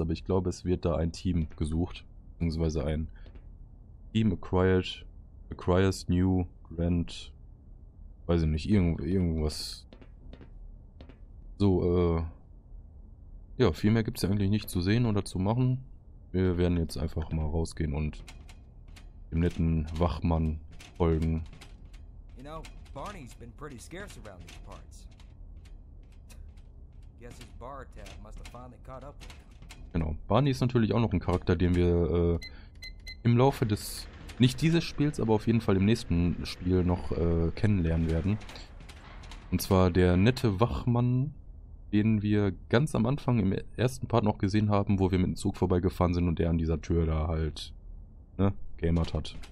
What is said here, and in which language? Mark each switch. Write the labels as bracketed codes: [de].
[de] Aber ich glaube, es wird da ein Team gesucht. Beziehungsweise ein Team [en] acquires new grant. [de] Weiß ich nicht, irgendwas. So, ja, viel mehr gibt es ja eigentlich nicht zu sehen oder zu machen. Wir werden jetzt einfach mal rausgehen und dem netten Wachmann folgen. [en] You know, Barney's been pretty scarce around these parts. Guess his bar tab must have finally caught up with him. [de] Genau, Barney ist natürlich auch noch ein Charakter, den wir im Laufe des, nicht dieses Spiels, aber auf jeden Fall im nächsten Spiel noch kennenlernen werden. Und zwar der nette Wachmann, den wir ganz am Anfang im ersten Part noch gesehen haben, wo wir mit dem Zug vorbeigefahren sind und der an dieser Tür da halt, ne, gamert hat.